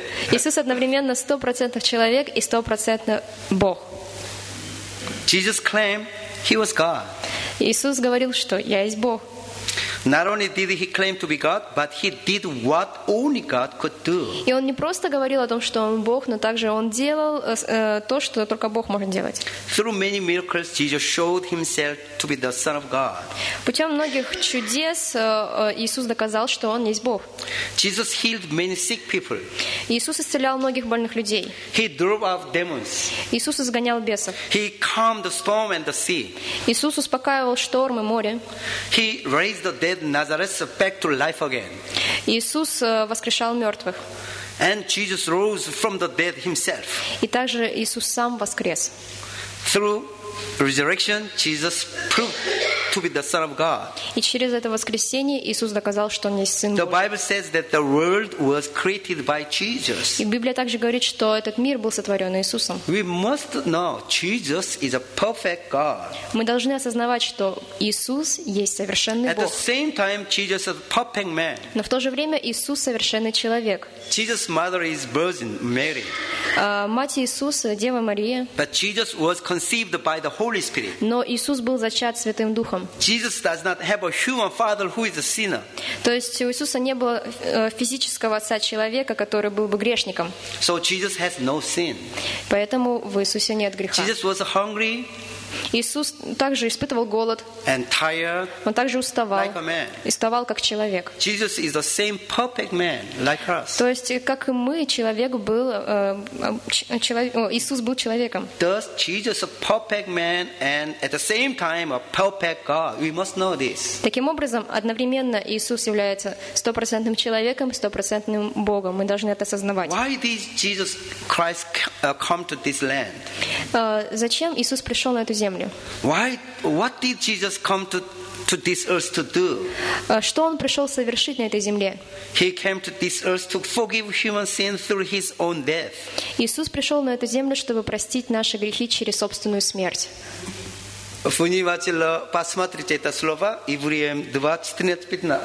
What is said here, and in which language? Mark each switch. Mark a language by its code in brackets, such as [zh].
[ru] Иисус одновременно 100% человек и 100% Бог. [en] Jesus claimed he was God. [ru] Иисус говорил, что я есть Бог. [en] Not only did he claim to be God, but he did what only God could do. [ru] И он не просто говорил о том, что он Бог, но также он делал то, что только Бог может делать. [en] Through many miracles, Jesus showed himself to be the Son of God. [ru] Путем многих чудес Иисус доказал, что он есть Бог. [en] Jesus healed many sick people. [ru] Иисус исцелял многих больных людей. [en] He drove out demons. [ru] Иисус изгонял бесов. [en] He calmed the storm and the sea. [ru] Иисус успокаивал шторм и море. [en] He raised the dead Nazareth back to life again. [ru] Иисус воскрешал мертвых. [en] And Jesus rose from the dead himself. [ru] И также Иисус сам воскрес. [en] Through resurrection, Jesus proved proved the Son of God. [ru] И через это воскресение Иисус доказал, что он есть Сын Божий. [en] The Bible says that the world was created by Jesus. [ru] И Библия также говорит, что этот мир был сотворен Иисусом. [en] We must know Jesus is a perfect God. [ru] Мы должны осознавать, что Иисус есть совершенный Бог. [en] At the same time, Jesus is a perfect man. [ru] Но в то же время Иисус совершенный человек. [en] Jesus' mother is Virgin Mary. [ru] Мать Иисуса Дева Мария. [en] But Jesus was conceived by the Holy Spirit. [ru] Но Иисус был зачат Святым Духом. [en] Jesus does not have a human father who is a sinner. [ru] То есть у Иисуса не было физического отца человека, который был бы грешником. [en] So Jesus has no sin. [ru] Поэтому в Иисусе нет греха. [en] Jesus was hungry. [ru] Иисус также испытывал голод. [en] And tired. [ru] Он также уставал. [en] Like a man. [ru] Уставал как человек. [en] Jesus is the same perfect man like us. [ru] То есть как и мы человек был Иисус был человеком. [en] Thus Jesus a perfect man and at the same time a perfect God. We must know this. [ru] Таким образом одновременно Иисус является 100% человеком, 100% Богом. Мы должны это осознавать. [en] Why did Jesus Christ come to this land? [ru] Зачем Иисус пришел на эту землю? [en] Why? What did Jesus come to this earth to do? [ru] Что он пришел совершить на этой земле? [en] He came to this earth to forgive human sin through his own death. [ru] Иисус пришел на эту землю, чтобы простить наши грехи через собственную смерть. Внимательно посмотрите это слово Евреям 2:14-15.